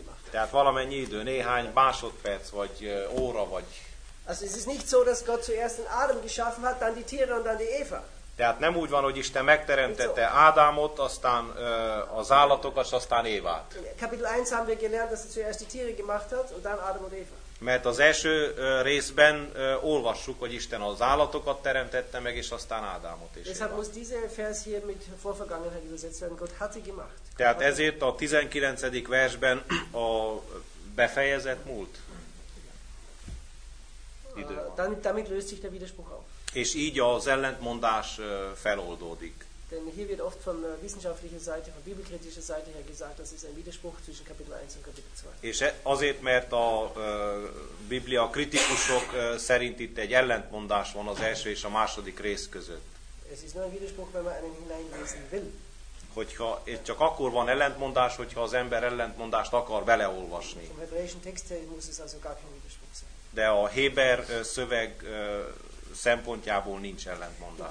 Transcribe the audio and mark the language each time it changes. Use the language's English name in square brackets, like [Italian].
[Hungarian] Tehát valamennyi idő, néhány másodperc, vagy óra, vagy... [German] Also es ist nicht so, dass Gott zuerst den Adam geschaffen hat, dann die Tiere und dann die Eva. [Hungarian] Tehát nem úgy van, hogy Isten megteremtette Ádámot, aztán az állatokat, és aztán Évát. [German] Kapitel 1 haben wir gelernt, dass er zuerst die Tiere gemacht hat und dann Adam und Eva. [Hungarian] Mert az első részben olvassuk, hogy Isten az állatokat teremtette meg, és aztán Ádámot és Évát. [German] Muss dieser Vers hier mit Vorvergangenheit übersetzt werden. Gott hatte gemacht. [Hungarian] Tehát ezért a 19. versben a befejezett múlt. [German] Damit löst sich der Widerspruch auf. [Hungarian] És így az ellentmondás feloldódik. [German] Denn hier wird oft von wissenschaftlicher Seite, von bibelkritischer Seite her gesagt, das ist ein Widerspruch zwischen Kapitel 1 und Kapitel 2. [Hungarian] És azért, mert a Biblia kritikusok szerint itt egy ellentmondás van az első és a második rész között. [German] Es ist nur ein Widerspruch, wenn man einen hineinlesen will. [Hungarian] Hogyha csak akkor van ellentmondás, hogyha az ember ellentmondást akar beleolvasni. [German] Vom hebräischen Text her muss es also gar kein Widerspruch sein. [Hungarian] De a héber szöveg szempontjából nincs ellentmondás.